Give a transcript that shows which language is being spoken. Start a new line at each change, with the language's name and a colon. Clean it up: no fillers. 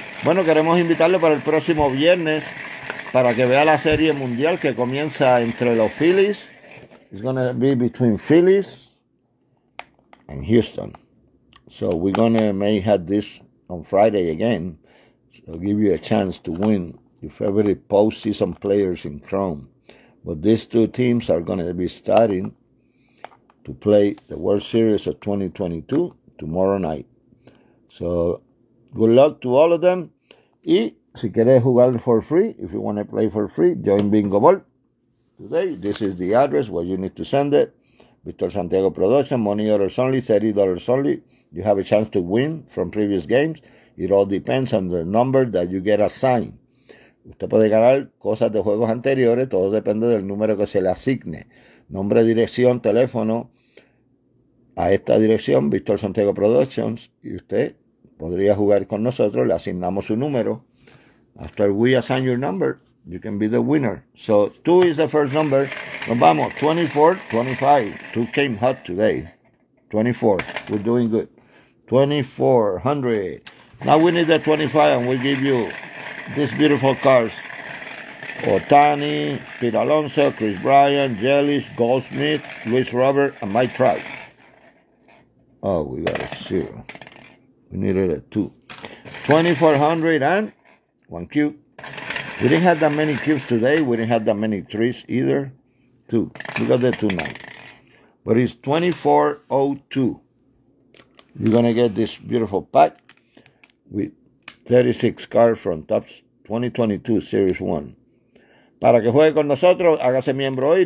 Spanish: Bueno, queremos invitarlo para el próximo viernes para que vea la serie mundial que comienza entre los Phillies.
English: It's going to be between Phillies and Houston. So we're going to may have this on Friday again. So I'll give you a chance to win your favorite postseason players in chrome. But these two teams are going to be starting to play the World Series of 2022 tomorrow night. So good luck to all of them.
Spanish: Y si quieres jugar
English: for free, if you want to play for free, join Bingo Ball. Today, this is the address where you need to send it. Victor Santiago Production, money orders only, $30 only. You have a chance to win from previous games. It all depends on the number that you get assigned.
Spanish: Usted puede ganar cosas de juegos anteriores, todo depende del número que se le asigne. Nombre, dirección, teléfono, a esta dirección, Víctor Santiago Productions, y usted podría jugar con nosotros, le asignamos su número.
English: After we assign your number, you can be the winner. So, 2 is the first number.
Spanish: Nos vamos,
English: 24, 25. 2 came hot today. 24, we're doing good. 2400. Now we need the 25 and we'll give you these beautiful cars. Otani, Pete Alonso, Chris Bryan, Jellis, Goldsmith, Luis Robert, and Mike Trout. Oh, we got a 0. We needed a 2. 2400 and 1 cube. We didn't have that many cubes today. We didn't have that many threes either. 2. We got the 2 now. But it's 2402. You're going to get this beautiful pack with 36 cards from Topps 2022 Series 1.
Spanish: Para que juegue con nosotros, hágase miembro hoy.